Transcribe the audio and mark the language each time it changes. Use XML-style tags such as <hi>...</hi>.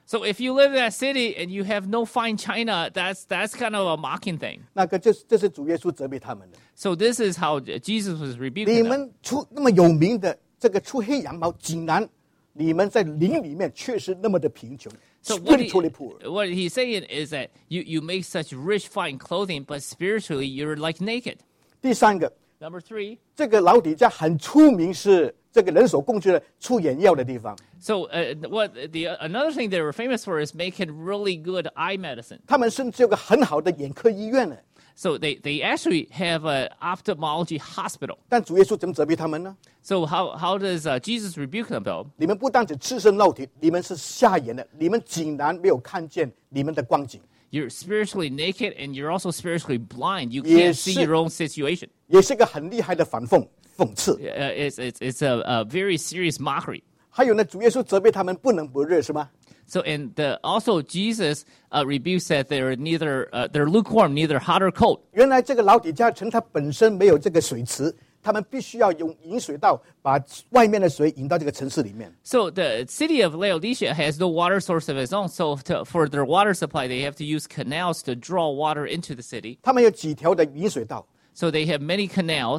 <en>So if you live in that city and you have no fine china, that's kind of a mocking thing.</en> <zh>那个这是主耶稣责备他们的。</zh> <en>So this is how Jesus was rebuking them.</en> <zh>你们出那么有名的这个出黑羊毛竟然你们在灵里面却是那么的贫穷。</zh> <en>So what he's saying is that you make such rich fine clothing, but spiritually you're like naked.</en> <zh>第三个</zh> <en>Number three,</en> <zh>这个老底家很出名是这个人所供职的出眼药的地方。</zh> <en>So, another thing they were famous for is making really good eye medicine.</en> <zh>他们甚至有个很好的眼科医院呢。</zh> <en>So they actually have an ophthalmology hospital.</en> <zh>但主耶稣怎么责备他们呢</zh> <en>？So how does Jesus rebuke them though?</en> <zh>你们不但只赤身露体，你们是瞎眼的，你们竟然没有看见你们的光景。</zh> <en>You're spiritually naked and you're also spiritually blind. You can't see your own situation.</en> <zh>也是个很厉害的讽刺。</zh> <en>It's a very serious mockery.</en> <zh>还有呢，主耶稣责备他们不冷不热，是吗</zh> <en>？So and the, also Jesus rebukes that they're lukewarm, neither hot or cold.</en> <zh>原来这个老底家城它本身没有这个水池。他们必须要用引水道把外面的水引到这个城市里面。</zh> <en>So the city of Laodicea has no water source of its own. So for their water supply, they have to use canals to draw water into the city.</en> <zh>他们有几条的引水道。</zh> <en>So they have many canals.</en>